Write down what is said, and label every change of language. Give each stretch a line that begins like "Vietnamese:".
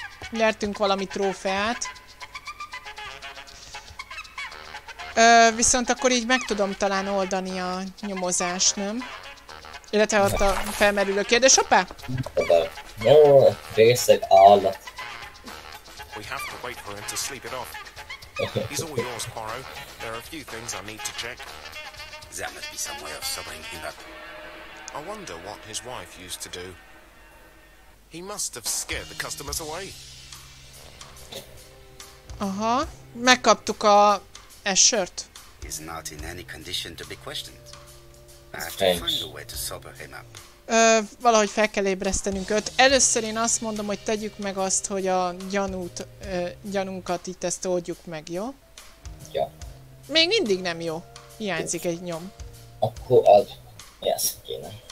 Hungarian: Nyertünk valami trófeát. Viszont akkor így meg tudom talán oldani a nyomozást, nem? Illetve ott a felmerülő kérdés, hoppá? Jó, részeg állat.
English: We have to wait for him to sleep it off. He's all yours, Poirot. There are a few things I need to check. There must be some way of sobering him up. I wonder what his wife used to do. He must have scared the customers away.
Hungarian: Aha, megkaptuk a Escher-t.
English: He's not in any condition to be questioned. I have to find a way to sober him up.
Hungarian: Valahogy fel kell ébresztenünk őt. Először én azt mondom, hogy tegyük meg azt, hogy a gyanút, gyanunkat itt ezt oldjuk meg, jó? Ja. Még mindig nem jó. Hiányzik egy nyom. Akkor az... Yes, kéne.